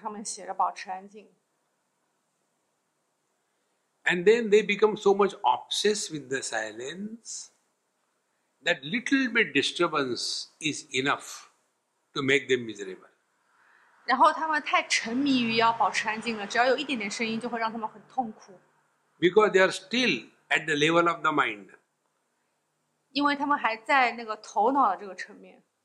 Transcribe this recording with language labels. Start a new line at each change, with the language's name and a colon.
Chinese: 所以在很多的寺庙，你都会看到一个板，上面写着“保持安静”。
English: And then they become so much obsessed with the silence that little bit disturbance is enough to make them miserable.
Chinese: 然后他们太沉迷于要保持安静了，只要有一点点声音，就会让他们很痛苦。
English: Because they are still at the level of the mind.
Chinese: 因为他们还在那个头脑的这个层面。